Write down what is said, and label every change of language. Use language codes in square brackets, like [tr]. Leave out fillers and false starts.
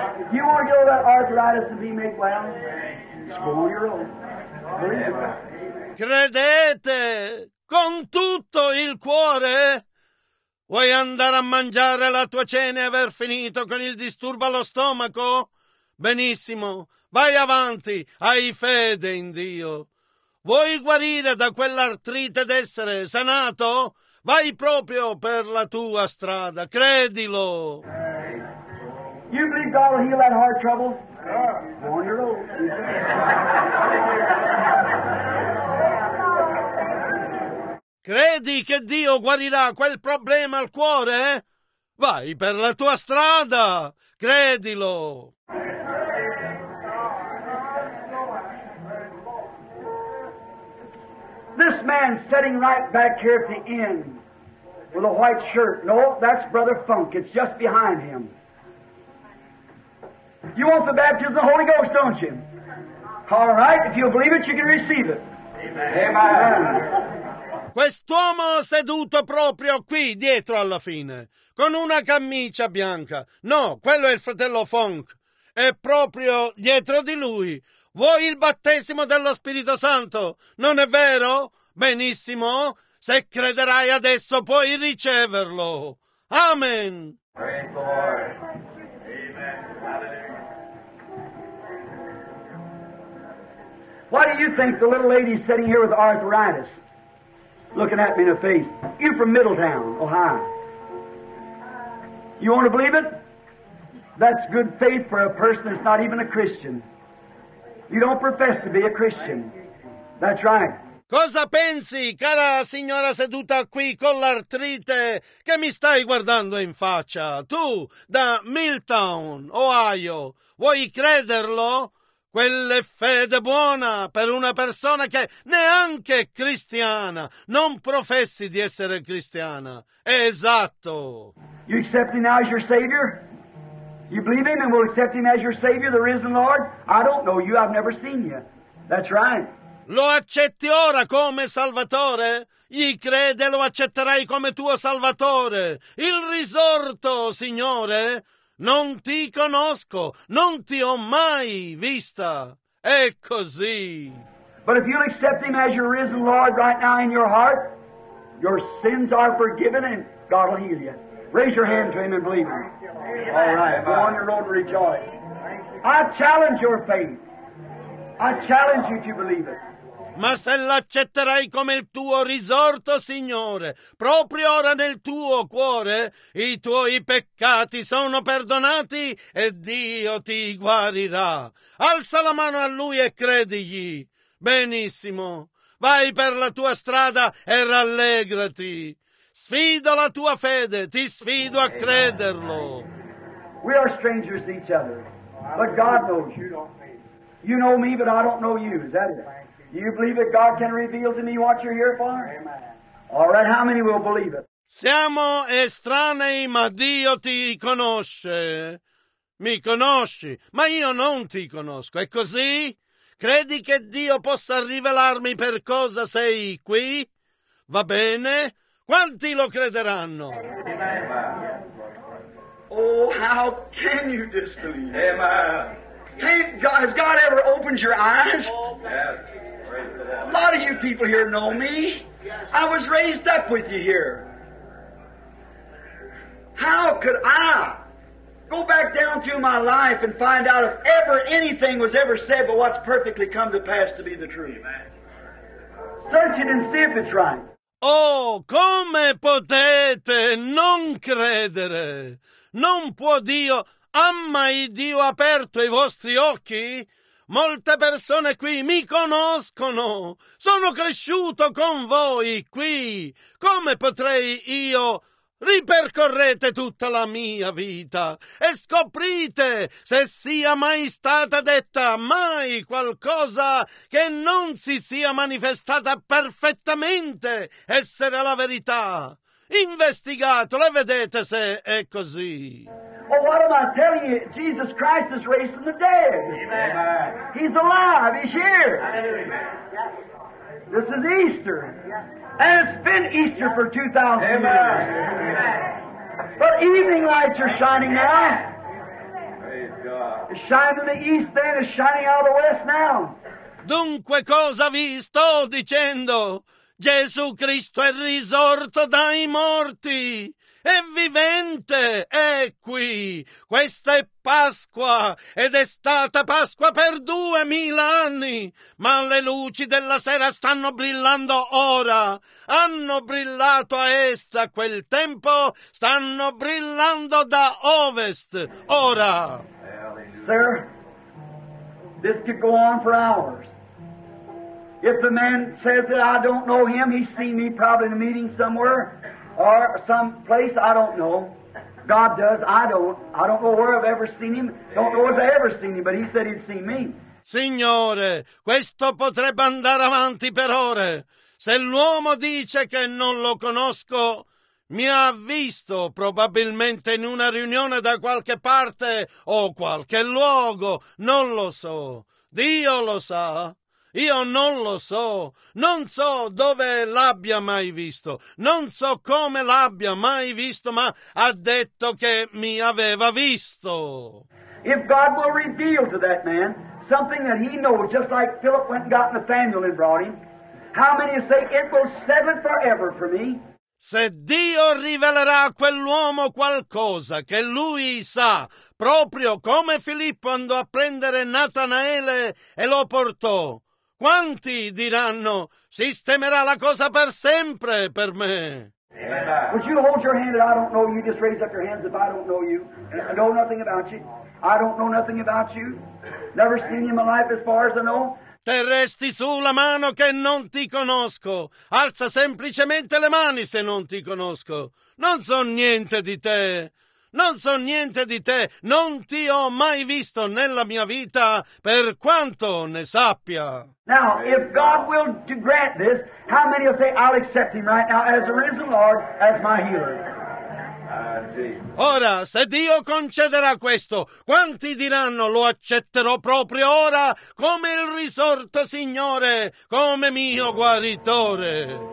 [en] Do you want to go that arthritis and be made well? Just go on your own. [it] Credete con tutto il cuore? Vuoi andare a mangiare la tua cena e aver finito con il disturbo allo stomaco? Benissimo, vai avanti, hai fede in Dio. Vuoi guarire da quell'artrite ed essere sanato? Vai proprio per la tua strada, credilo. [en] You believe God will heal that heart trouble? Go on your own. [it] Credi che Dio guarirà quel problema al cuore? Vai per la tua strada, credilo. [en] This man sitting right back here at the end with a white shirt. No, that's Brother Funk. It's just behind him. You want the baptism of the Holy Ghost, don't you? All right, if you believe it, you can receive it. Amen. Amen. [it] Quest'uomo seduto proprio qui, dietro alla fine, con una camicia bianca. No, quello è il fratello Funk. È proprio dietro di lui. Vuoi il battesimo dello Spirito Santo? Non è vero? Benissimo. Se crederai adesso puoi riceverlo. Amen. [en] Praise the Lord. Amen. Hallelujah. Why do you think the little lady sitting here with arthritis, looking at me in the face, you from Middletown, Ohio? You want to believe it? That's good faith for a person that's not even a Christian. You don't profess to be a Christian. That's right. [it] Cosa pensi, cara signora seduta qui con l'artrite, che mi stai guardando in faccia? Tu, da Milltown, Ohio, vuoi crederlo? Quella è fede buona per una persona che neanche è cristiana. Non professi di essere cristiana. Esatto. [en] You accept him now as your Savior? You believe him and will accept him as your Savior, the risen Lord? I don't know you. I've never seen you. That's right. [it] Lo accetti ora come Salvatore? Gli crede, lo accetterai come tuo Salvatore. Il risorto, Signore? Non ti conosco. Non ti ho mai vista. è così. [en] But if you'll accept Him as your risen Lord right now in your heart, your sins are forgiven and God will heal you. Raise your hand to Him and believe Him. All right. Go on your road and rejoice. I challenge your faith. I challenge you to believe it. [it] Ma se l'accetterai come il tuo risorto, Signore, proprio ora nel tuo cuore, i tuoi peccati sono perdonati e Dio ti guarirà. Alza la mano a Lui e credigli. Benissimo. Vai per la tua strada e rallegrati. Sfido la tua fede, ti sfido a crederlo. [en] We are strangers to each other, but God knows you. You know me, but I don't know you. Is that it? Do you believe that God can reveal to me what you're here for? Amen. All right, how many will believe it? [it] Siamo estranei, ma Dio ti conosce. Mi conosci, ma io non ti conosco. È così? Credi che Dio possa rivelarmi per cosa sei qui? Va bene? Quanti lo crederanno? Amen. [en] Oh, how can you disbelieve? Amen. Has God ever opened your eyes? Yes. A lot of you people here know me. I was raised up with you here. How could I go back down through my life and find out if ever anything was ever said but what's perfectly come to pass to be the truth? Search it and see if it's right. [it] Oh, come potete non credere? Non può Dio? Ha mai Dio aperto i vostri occhi? Molte persone qui mi conoscono, sono cresciuto con voi qui. Come potrei io? Ripercorrete tutta la mia vita e scoprite se sia mai stata detta mai qualcosa che non si sia manifestata perfettamente essere la verità. Investigatelo e vedete se è così. [en] Oh, what am I telling you? Jesus Christ is raised from the dead. Amen. He's alive. He's here. Amen. This is Easter. And it's been Easter for 2,000 Amen. Years. Amen. But evening lights are shining Amen. Now. Praise God. It's shining in the east then. It's shining out of the west now. [it] Dunque, cosa vi sto dicendo? Gesù Cristo è risorto dai morti. È vivente, è qui. Questa è Pasqua ed è stata Pasqua per 2000 anni. Ma le luci della sera stanno brillando ora. Hanno brillato a est a quel tempo, stanno brillando da ovest ora. [en] Sir, this could go on for hours. If the man says that I don't know him, he's seen me probably in a meeting somewhere. Or some place, I don't know. God does, I don't. I don't know where I've ever seen him. Don't know if I've ever seen him, but he said he'd seen me. [it] Signore, questo potrebbe andare avanti per ore. Se l'uomo dice che non lo conosco, mi ha visto probabilmente in una riunione da qualche parte o qualche luogo, non lo so. Dio lo sa. Io non lo so, non so dove l'abbia mai visto, non so come l'abbia mai visto, ma ha detto che mi aveva visto. [en] If God will reveal to that man something that he knows, just like Philip went and got Nathaniel and brought him, how many say it will settle it forever for me? [it] Se Dio rivelerà a quell'uomo qualcosa che lui sa, proprio come Filippo andò a prendere Natanaele e lo portò, quanti diranno, sistemerà la cosa per sempre per me? Amen. [en] Would you hold your hand that I don't know you? Just raise up your hands if I don't know you. I know nothing about you. I don't know nothing about you. Never seen you in my life as far as I know. [it] Te resti su la mano che non ti conosco. Alza semplicemente le mani se non ti conosco. Non so niente di te. Non so niente di te. Non ti ho mai visto nella mia vita, per quanto ne sappia. [en] Now, if God will grant this, how many will say, I'll accept Him right now as a risen Lord, as my healer? [it] Ora, se Dio concederà questo, quanti diranno, lo accetterò proprio ora come il risorto Signore, come mio guaritore?